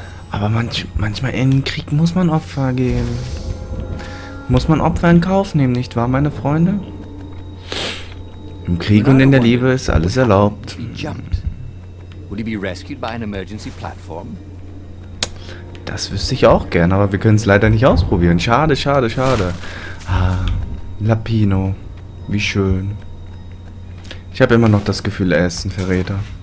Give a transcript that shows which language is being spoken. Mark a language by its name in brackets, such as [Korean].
[German] Aber manchmal in Krieg muss man Opfer gehen. Muss man Opfer in Kauf nehmen, nicht wahr, meine Freunde? Im Krieg und in der Liebe ist alles erlaubt. [English] Would he be rescued by an emergency platform? [German] Das wüsste ich auch gern, aber wir können es leider nicht ausprobieren. Schade, schade, schade. Ah, Lapino, wie schön. Ich habe immer noch das Gefühl, er ist ein Verräter.